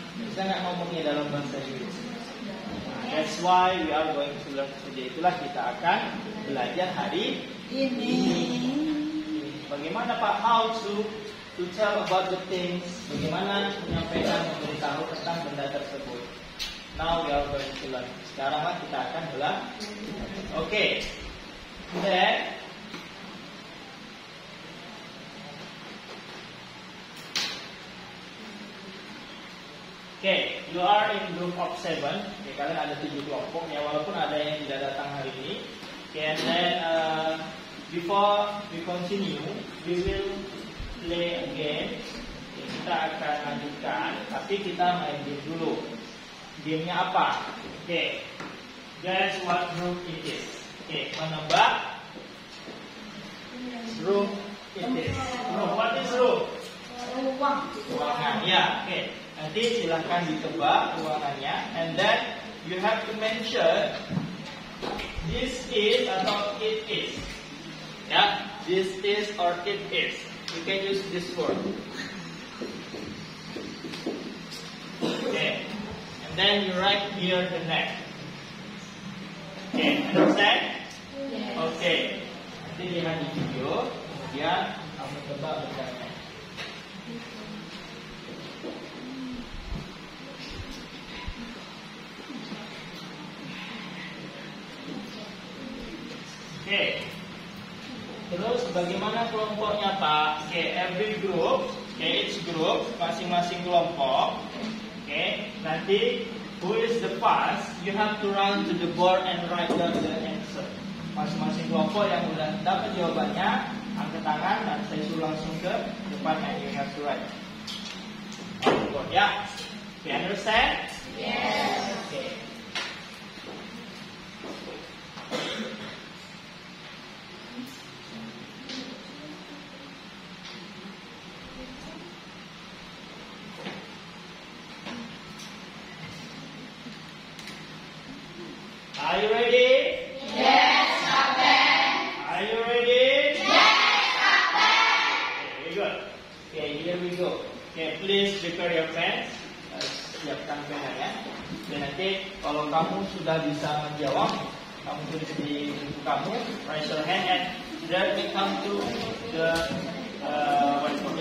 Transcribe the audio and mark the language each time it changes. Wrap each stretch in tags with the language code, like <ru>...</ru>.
<id>Bisa gak ngomongnya dalam bahasa Inggris?</id> <en>That's why we are going to learn today.</en> <id>Itulah kita akan belajar hari ini. Bagaimana Pak?</id> <en>How to tell about the things?</en> <id>Bagaimana menyampaikan, memberitahu tentang benda tersebut?</id> <en>Now we are going to learn.</en> <id>Sekarang kita akan belajar.</id> <en>Okay. Then. Okay, you are in group of seven. Okay,</en> <id>kalian ada tujuh kelompok. Ya, walaupun ada yang tidak datang hari ini.</id> <en>Okay, and then before we continue, we will play a game.</en> <id>Okay, kita akan lanjutkan, tapi kita main game dulu. Game-nya apa?</id> <en>Okay, guess what group it is. Okay,</en> <id>menebak</id> <en>room it is. Room, what is room?</en> <id>Ruang. Ruangan, ya.</id> <en>Yeah, okay.</en> <id>Nanti silahkan ditebak ruangannya.</id> <en>And then you have to mention this is</en> <id>atau</id> <en>it is. Ya, yeah, this is or it is. You can use this word. Okay. And then you write near the neck. Okay, understand? Yes.</en> <id>Okay. Nanti lihat di video. Kemudian kamu tebak ruangannya. Oke, okay. Terus bagaimana kelompoknya Pak?</id> <en>Oke, okay, every group, okay, each group,</en> <id>masing-masing kelompok.</id> <en>Oke, okay,</en> <id>nanti</id> <en>who is the first? You have to run to the board and write down the answer.</en> <id>Masing-masing kelompok yang sudah dapat jawabannya, angkat tangan dan saya suruh langsung ke depannya.</id> <en>You have to write. Board, ya? Yeah. You understand? Yes. Oke. Okay. Are you ready? Yes, Captain. Are you ready? Yes, Captain. Okay, very good. Okay, here we go. Okay, please prepare your pens.</en> <id>Siapkan pena ya. Dan nanti kalau kamu sudah bisa menjawab, kamu tulis di buku kamu.</id> <en>Raise your hand and then we come to the whiteboard.</en>